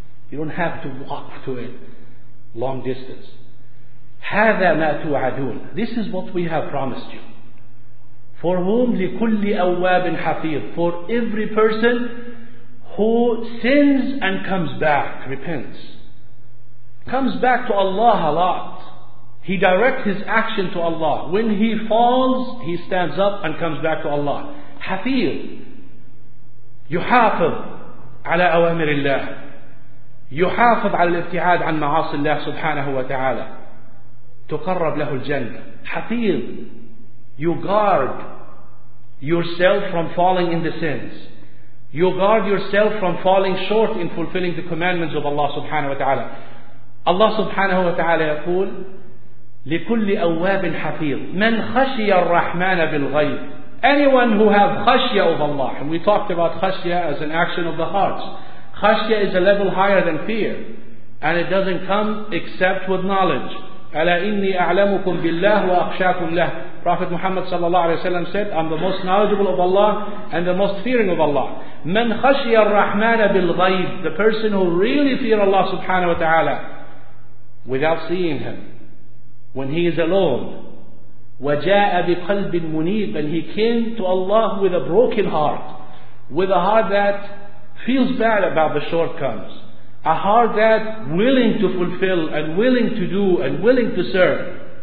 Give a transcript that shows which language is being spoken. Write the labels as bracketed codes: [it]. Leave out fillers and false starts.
[en] You don't have to walk to it long distance. [ar] هذا ما توعدون. [en] This is what we have promised you. For whom [ar] لكل أواب حفيظ. [en] For every person who sins and comes back, repents, comes back to Allah a lot. He directs his action to Allah. When he falls, he stands up and comes back to Allah. [ar] حفيظ يحافظ على أوامر الله، يحافظ على الابتعاد عن معاصي الله سبحانه وتعالى، تقرب له الجنة. [en] حفيظ you guard yourself from falling in the sins. You guard yourself from falling short in fulfilling the commandments of Allah subhanahu wa ta'ala. [ar] Allah subhanahu wa ta'ala يقول لكل أواب حفيظ من خشي الرحمن بالغيب. [en] Anyone who have خشية of Allah. And we talked about خشية as an action of the hearts. خشية is a level higher than fear. And it doesn't come except with knowledge. [ar] ألا إني أعلمكم بالله وأخشاكم له. [en] Prophet Muhammad sallallahu alayhi wa sallam said, I'm the most knowledgeable of Allah and the most fearing of Allah. [ar] من خشي الرحمن بالغيب. [en] The person who really fear Allah subhanahu wa ta'ala without seeing him. When he is alone, [ar] وجاء بقلب منيب, [en] and he came to Allah with a broken heart, with a heart that feels bad about the shortcomings, a heart that willing to fulfill and willing to do and willing to serve.